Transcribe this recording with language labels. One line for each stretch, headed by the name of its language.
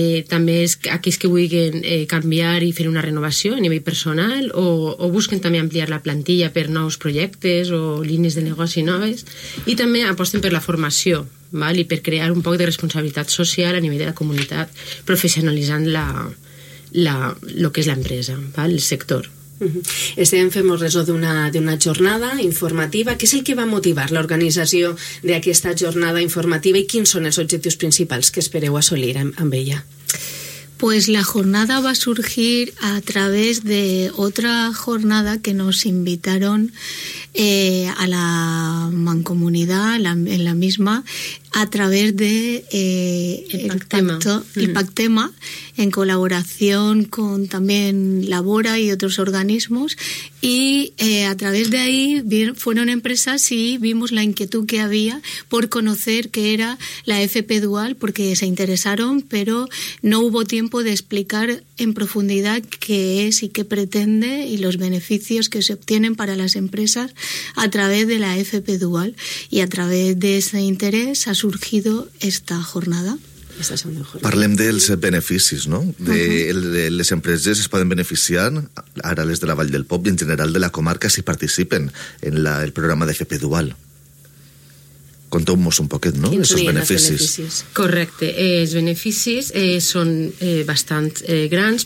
Catalan: També és aquells que vulguin canviar i fer una renovació a nivell personal o busquen també ampliar la plantilla per nous projectes o línies de negoci noves, i també aposten per la formació, val? I per crear un poc de responsabilitat social a nivell de la comunitat, professionalitzant lo que és l'empresa, val? El sector. Estem fent molt resó d'una jornada informativa. Què és el que va motivar l'organització d'aquesta jornada informativa i quins són els objectius principals que espereu assolir amb ella?
Spanish: Pues la jornada va surgir a través de otra jornada que nos invitaron a la mancomunidad, en la misma, a través de el Pactema, en colaboración con también Labora y otros organismos, y a través de ahí fueron empresas y vimos la inquietud que había por conocer qué era la FP Dual, porque se interesaron, pero no hubo tiempo de explicar en profundidad qué es y qué pretende y los beneficios que se obtienen para las empresas a través de la FP Dual, y a través de ese interés ha surgido esta jornada.
Catalan: Parlem dels beneficis, no? Les empreses es poden beneficiar, ara les de la Vall d'Elbop i en general de la comarca, si participen en el programa de FP Dual. Conteu-nos un poquet, no? Quins beneficis? Correcte. Els beneficis són bastant grans.